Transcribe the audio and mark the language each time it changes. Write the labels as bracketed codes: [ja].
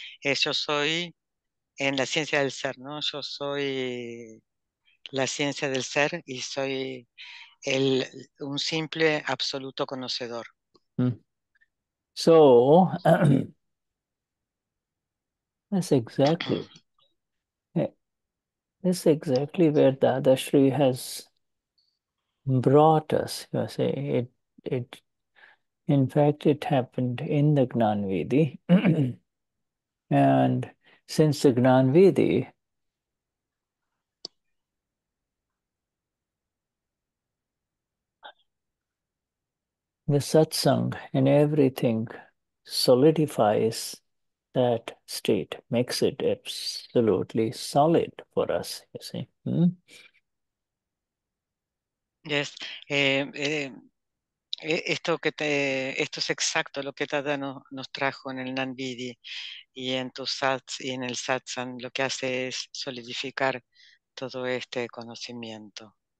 [es] Yo soy en la ciencia del ser, ¿no? Yo soy la ciencia del ser y soy un simple absoluto conocedor. [en] So that's exactly where Dadashri has brought us, you say. In fact, it happened in the Gnanvidhi. And since the Gnanvidhi the satsang and everything solidifies that state, makes it absolutely solid for us, you see. Yes. [es] Esto es exacto lo que Tada nos trajo en el Nanvidi y en tu Sats y en el Satsang. Lo que hace es solidificar todo este conocimiento.